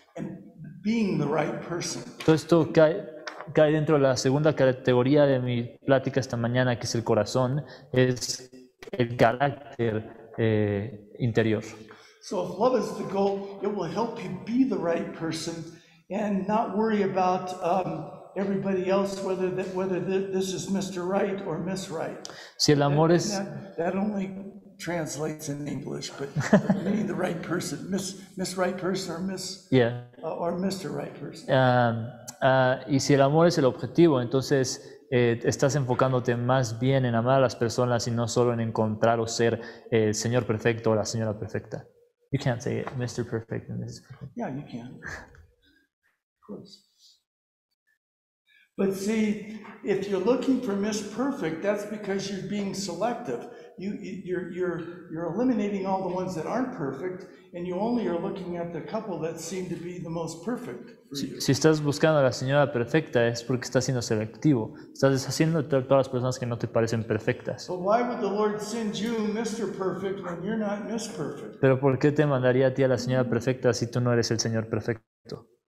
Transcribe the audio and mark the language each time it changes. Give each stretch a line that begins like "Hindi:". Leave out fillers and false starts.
English: And being the right person.
Spanish: Todo esto cae dentro de la segunda categoría de mi plática esta mañana, que es el corazón, es el carácter interior.
English: So if love is the goal, it will help you be the right person and not worry about everybody else, whether this is Mr. Right or Miss Right.
Spanish: Si el amor es...
English: That only translates in English, but meaning the right person, Miss Right person or Miss... Yeah. Or Mr. Right person.
Spanish: Y si el amor es el objetivo, entonces estás enfocándote más bien en amar a las personas y no solo en encontrar o ser el señor perfecto o la señora perfecta.
English: You can't say it, Mr. Perfect and Mrs. Perfect. Yeah, you can. Of course. But see, if you're looking for Miss Perfect, that's because you're being selective. You're eliminating all the ones that aren't perfect, and you only are looking at the couple that seem to be the most perfect for you.
Spanish: Si estás buscando a la señora perfecta, es porque estás siendo selectivo. Estás deshaciendo de todas las personas que no te parecen perfectas.
English: But why would the Lord send you Mr. Perfect when you're not Miss Perfect?
Spanish: Pero ¿por qué te mandaría a ti a la señora perfecta si tú no eres el señor perfecto?